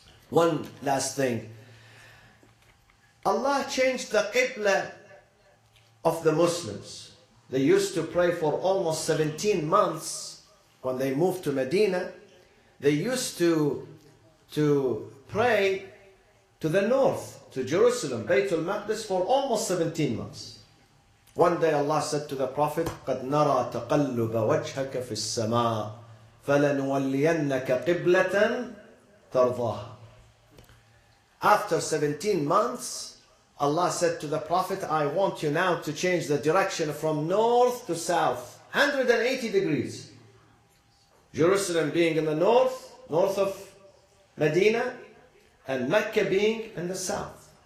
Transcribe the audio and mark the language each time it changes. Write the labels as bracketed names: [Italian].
[English] One last thing. Allah changed the qibla of the Muslims. They used to pray for almost 17 months when they moved to Medina. They used to pray to the north, to Jerusalem, Baytul Maqdis, for almost 17 months. One day Allah said to the Prophet, [Arabic] قَدْ نَرَى تَقَلُّبَ وَجْهَكَ فِي السَّمَاءِ فَلَنُوَلِّيَنَّكَ قِبْلَةً تَرْضَاهَا. [English] After 17 months, Allah said to the Prophet, I want you now to change the direction from north to south, 180 degrees. Jerusalem being in the north, north of Medina, and Mecca being in the south.